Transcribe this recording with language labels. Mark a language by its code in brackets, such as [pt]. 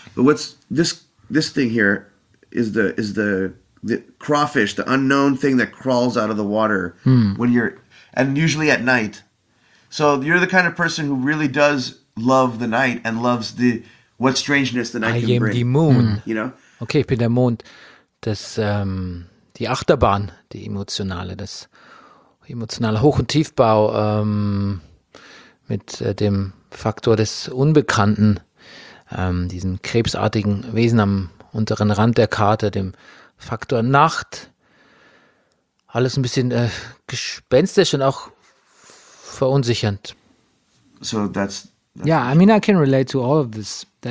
[en] But what's this thing here is the crawfish, the unknown thing that crawls out of the water when you're, and usually at night. So you're the kind of person who really does love the night and loves the what strangeness the night I can bring. I am the moon. You know. [de] Okay, ich bin der Mond, das die Achterbahn, die emotionale, das. Emotionaler Hoch- und Tiefbau mit dem Faktor des Unbekannten, diesem krebsartigen Wesen am unteren Rand der Karte, dem Faktor Nacht. Alles ein bisschen gespenstisch und auch verunsichernd. [en] So that's... Yeah, I mean, I can relate to all of this.